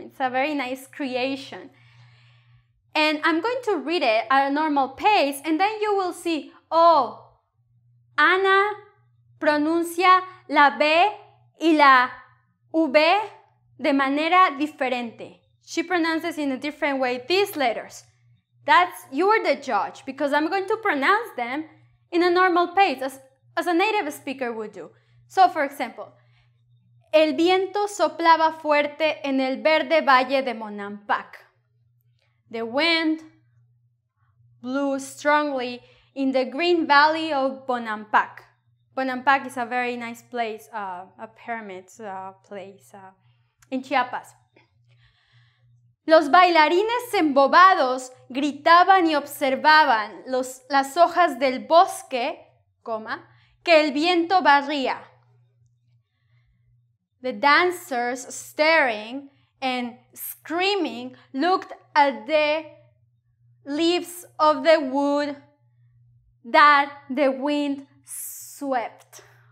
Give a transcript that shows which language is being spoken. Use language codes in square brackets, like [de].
[en] It's a very nice creation. And I'm going to read it at a normal pace and then you will see, oh, [es] Ana pronuncia la B y la V de manera diferente. [en] She pronounces in a different way these letters. That's, you're the judge, because I'm going to pronounce them in a normal pace, as a native speaker would do. So, for example, [es] el viento soplaba fuerte en el verde valle de Monampac. [en] The wind blew strongly in the green valley of Monampac. Bonampak is a very nice place, a pyramid place in Chiapas. [es] Los bailarines embobados gritaban y observaban las hojas del bosque, coma, que el viento barría. [en] The dancers, staring and screaming, looked at the leaves of the wood that the wind swept.